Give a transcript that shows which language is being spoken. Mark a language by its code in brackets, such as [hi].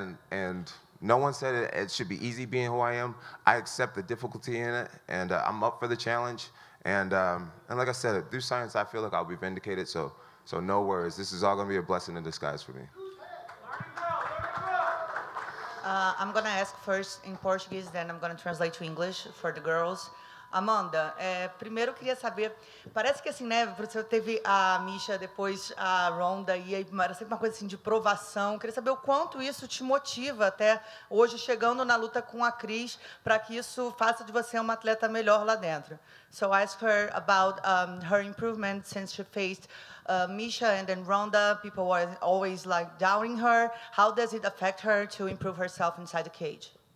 [en] And no one said it should be easy being who I am. I accept the difficulty in it, and I'm up for the challenge. And like I said, through science, I feel like I'll be vindicated. So no worries. This is all going to be a blessing in disguise for me. I'm going to ask first in Portuguese, then I'm going to translate to English for the girls. [pt] Amanda, primeiro queria saber, parece que assim, né, você teve a Misha, depois a Ronda, e aí era sempre uma coisa assim de provação. Queria saber o quanto isso te motiva até hoje, chegando na luta com a Cris, para que isso faça de você uma atleta melhor lá dentro. [en] So I asked her about her improvement since she faced Misha and then Ronda. People were always like doubting her. How does it affect her to improve herself inside the cage?